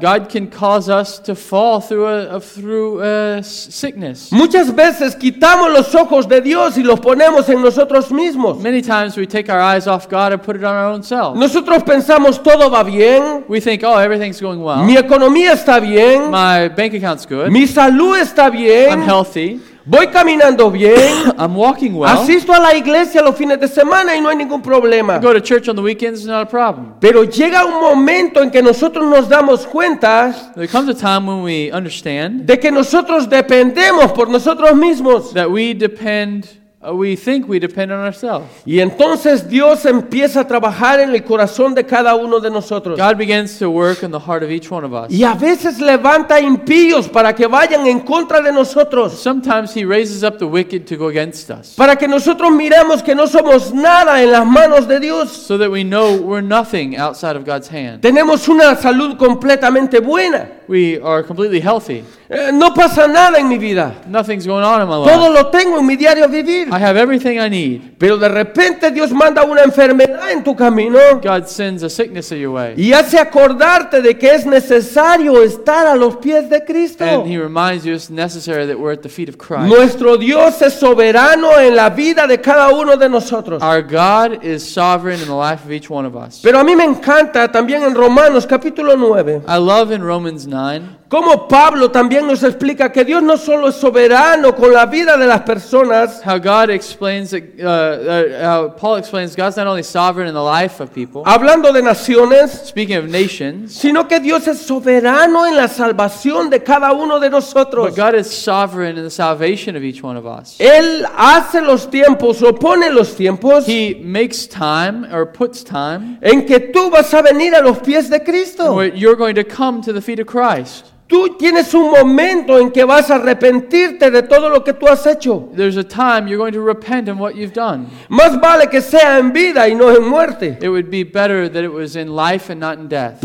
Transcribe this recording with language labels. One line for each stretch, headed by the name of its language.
English: God can cause us to fall through a sickness.
Spanish: Muchas veces quitamos los ojos de Dios y los ponemos en nosotros mismos.
English: Many times we take our eyes off God and put it on our own self.
Spanish: Nosotros pensamos todo va bien.
English: We think, oh, everything's going well.
Spanish: Mi economía está bien.
English: My bank account's good.
Spanish: Mi salud está bien.
English: I'm healthy.
Spanish: Voy caminando bien.
English: I'm walking well.
Spanish: Asisto a la iglesia los fines de semana y no hay ningún problema.
English: I go to church on the weekends, not a problem.
Spanish: Pero llega un momento en que nosotros nos damos cuenta.
English: There comes a time when we understand.
Spanish: De que nosotros dependemos por nosotros mismos.
English: That we depend. We think we depend on ourselves.
Spanish: Y entonces Dios empieza a trabajar en el corazón de cada uno de nosotros.
English: God begins to work in the heart of each one of us.
Spanish: Y a veces levanta impíos para que vayan en contra de nosotros.
English: Sometimes he raises up the wicked to go against us.
Spanish: Para que nosotros miremos que no somos nada en las manos de Dios.
English: So that we know we're nothing outside of God's hand.
Spanish: Tenemos una salud completamente buena.
English: We are completely healthy.
Spanish: No pasa nada en mi vida.
English: Nothing's going on in my life.
Spanish: Todo lo tengo en mi diario vivir.
English: I have everything I need.
Spanish: Pero de repente Dios manda una enfermedad en tu camino.
English: God sends a sickness in your way.
Spanish: Y hace acordarte de que es necesario estar a los pies de Cristo.
English: And he reminds you it's necessary that we're at the feet of Christ.
Spanish: Nuestro Dios es soberano en la vida de cada uno de nosotros.
English: Our God is sovereign in the life of each one of us.
Spanish: Pero a mí me encanta también en Romanos capítulo 9.
English: I love in Romans 9.
Spanish: Como Pablo también nos explica que Dios no solo es soberano con la vida de las personas.
English: How God explains that, how Paul explains God's not only sovereign in the life of people.
Spanish: Hablando de naciones.
English: Speaking of nations.
Spanish: Sino que Dios es soberano en la salvación de cada uno de nosotros.
English: But God is sovereign in the salvation of each one of us.
Spanish: Él hace los tiempos o pone los tiempos.
English: He makes time or puts time.
Spanish: En que tú vas a venir a los pies de Cristo.
English: Where you're going to come to the feet of Christ.
Spanish: Tú tienes un momento en que vas a arrepentirte de todo lo que tú has hecho.
English: There's a time you're going to repent of what you've done.
Spanish: Más vale que sea en vida y no en muerte.
English: It would be better that it was in life and not in death.